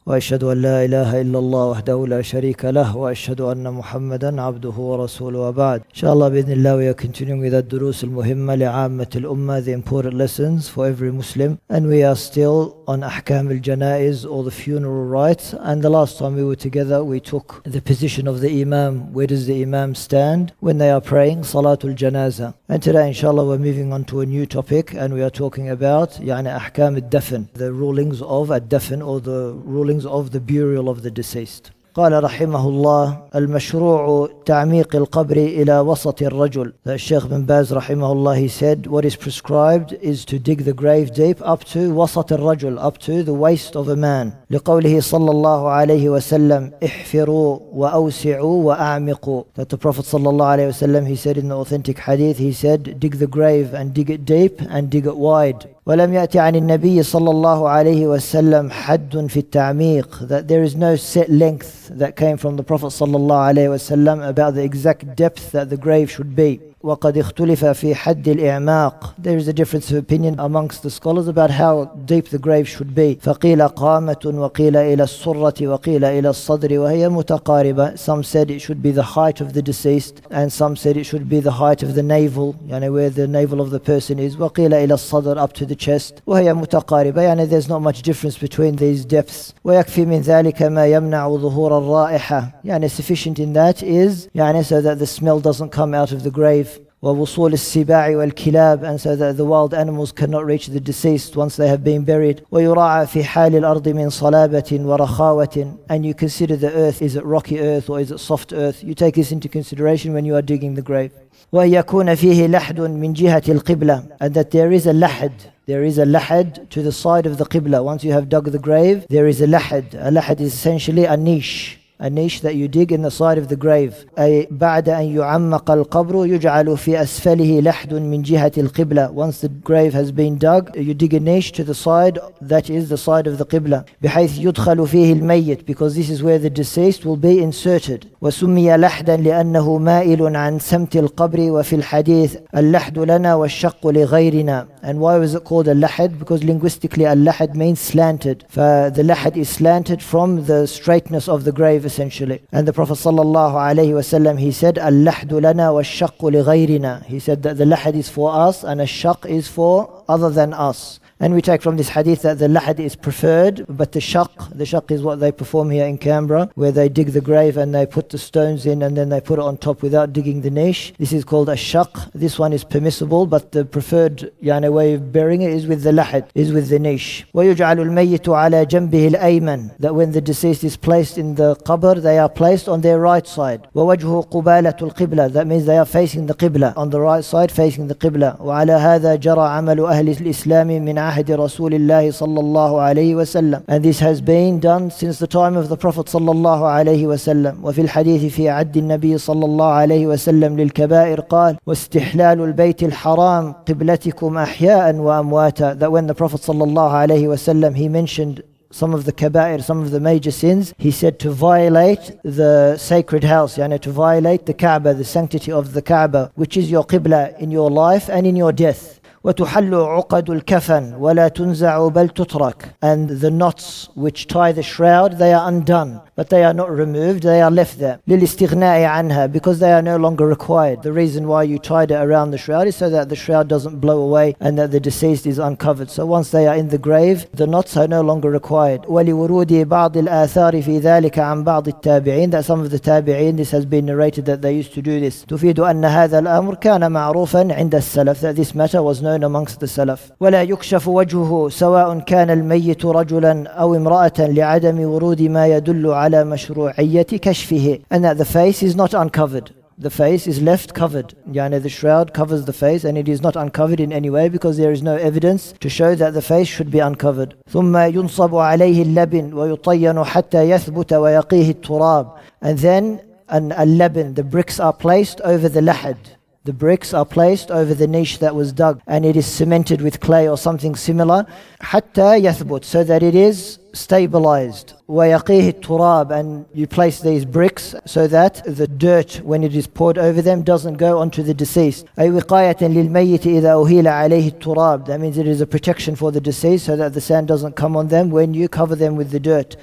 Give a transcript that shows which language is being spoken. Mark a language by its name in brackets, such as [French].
[Arabic] وأشهد أن لا إله إلا الله وحده لا شريك له وأشهد أن محمدا عبده ورسوله وبعد إن شاء الله بإذن الله [English] we are continuing with the [Arabic] دروس المهمة لعامة الأمة [English] the important lessons for every Muslim and we are still on ahkam al-janaiz or the funeral rites. And the last time we were together, we took the position of the imam. Where does the imam stand when they are praying salatul janaza? And today, inshallah, we're moving on to a new topic, and we are talking about yani ahkam al-dafn, the rulings of al-dafn or the rulings of the burial of the deceased. [Arabic] قال رحمه الله المشروع تعميق القبر إلى وسط الرجل. الشيخ بن باز رحمه الله [English] he said what is prescribed is to dig the grave deep up to [Arabic] وسط الرجل, [English] up to the waist of a man. [Arabic] لقوله صلى الله عليه وسلم احفروا وأوسعوا وأعمقوا. [English] That the Prophet صلى الله عليه وسلم he said in the authentic hadith he said dig the grave and dig it deep and dig it wide. [Arabic] ولم يأتي عن النبي صلى الله عليه وسلم حد في التعميق. [English] That there is no set length that came from the Prophet صلى الله عليه وسلم about the exact depth that the grave should be. [Arabic] وقد اختلف في حد الإعماق. [English] There is a difference of opinion amongst the scholars about how deep the grave should be. [Arabic] فقيل قامة وقيل إلى السرة وقيل إلى الصدر وهي متقاربة. [English] Some said it should be the height of the deceased and some said it should be the height of the navel, يعني where the navel of the person is. [Arabic] وقيل إلى الصدر [English] up to the chest [Arabic] وهي متقاربة. [English] يعني there's not much difference between these depths. [Arabic] ويكفي من ذلك ما يمنع ظهور الرائحة. يعني [English] sufficient in that is يعني so that the smell doesn't come out of the grave. [Arabic] ووصول السباع والكلاب, [English] and so that the wild animals cannot reach the deceased once they have been buried. [Arabic] ويراعى في حال الأرض من صلابة ورخاوة, [English] and you consider the earth, is it rocky earth or is it soft earth? You take this into consideration when you are digging the grave. [Arabic] ويكون فيه لحد من جهة القبلة, [English] and that there is a lahad to the side of the qiblah. Once you have dug the grave, there is a lahad. A lahad is essentially a niche. A niche that you dig in the side of the grave. [Arabic] أي بعد أن يعمق القبر يجعل في أسفله لحد من جهة القبلة. [English] Once the grave has been dug, you dig a niche to the side that is the side of the قبلة. [Arabic] بحيث يدخل فيه الميت, [English] because this is where the deceased will be inserted. [Arabic] وسمي لحدا لأنه مائل عن سمت القبر وفي الحديث اللحد لنا والشق لغيرنا. [English] And why was it called a lahad? Because linguistically a lahad means slanted. The lahad is slanted from the straightness of the grave essentially. And the Prophet sallallahu alayhi wa sallam, he said [Arabic] اللحد لنا والشق لغيرنا. [English] He said that the lahad is for us and الشق is for other than us. And we take from this hadith that the lahad is preferred, but the shaq is what they perform here in Canberra, where they dig the grave and they put the stones in and then they put it on top without digging the niche. This is called a shaq. This one is permissible, but the preferred yani way of burying it is with the lahad, is with the niche. [Arabic] وَيُجْعَلُ الْمَيِّتُ عَلَى جَنْبِهِ الْأَيْمَنِ, [English] that when the deceased is placed in the qabr, they are placed on their right side. [Arabic] وَوَجْهُ قُبَالَةُ الْقِبْلَة, [English] that means they are facing the qibla, on the right side facing the qibla. [Arabic] وَعَلَى هَذَا جَرَى عَمَلُ أَهْلِ الْإِسْلَامِ مِنْ عهد رسول الله صلى الله عليه وسلم. [English] And this has been done since the time of the Prophet صلى الله عليه وسلم. [Arabic] وفي الحديث في عد النبي صلى الله عليه وسلم للكبائر قال واستحلال البيت الحرام قبلتكم أحياء وأمواتا. [English] That when the Prophet صلى الله عليه وسلم he mentioned some of the kabair, some of the major sins, he said to violate the sacred house, yani to violate the Kaaba, the sanctity of the Kaaba, which is your qibla in your life and in your death. [Arabic] وتحل عقد الكفن ولا تنزع بل تترك. [English] And the knots which tie the shroud, they are undone, but they are not removed, they are left there. للاستغناء عنها, because they are no longer required. The reason why you tied it around the shroud is so that the shroud doesn't blow away and that the deceased is uncovered. So once they are in the grave, the knots are no longer required. [Arabic] ولورود بعض الآثار في ذلك عن بعض التابعين, [English] that some of the تابعين, this has been narrated that they used to do this. [Arabic] تفيد أن هذا الأمر كان معروفا عند السلف, [English] that this matter was known amongst the Salaf. [Arabic] ولا يكشف وجهه سواء كان الميت رجلا أو امرأة لعدم ورود ما يدل على مشروعية كشفه. [English] And that the face is not uncovered. The face is left covered. [Arabic] يعني [English] the shroud covers the face and it is not uncovered in any way because there is no evidence to show that the face should be uncovered. [Arabic] ثم ينصب عليه اللبن ويطين حتى يثبت ويقيه التراب. [English] And then [Arabic] اللبن, [English] the bricks are placed over the lahad. The bricks are placed over the niche that was dug, and it is cemented with clay or something similar. [Arabic] حتى يثبت, [English] so that it is stabilized. [Arabic] وَيَقِيهِ التُّرَابِ, [English] and you place these bricks so that the dirt, when it is poured over them, doesn't go onto the deceased. [Arabic] أي وقاية للميت إذا أهيل عليه التراب. [English] That means it is a protection for the deceased so that the sand doesn't come on them when you cover them with the dirt.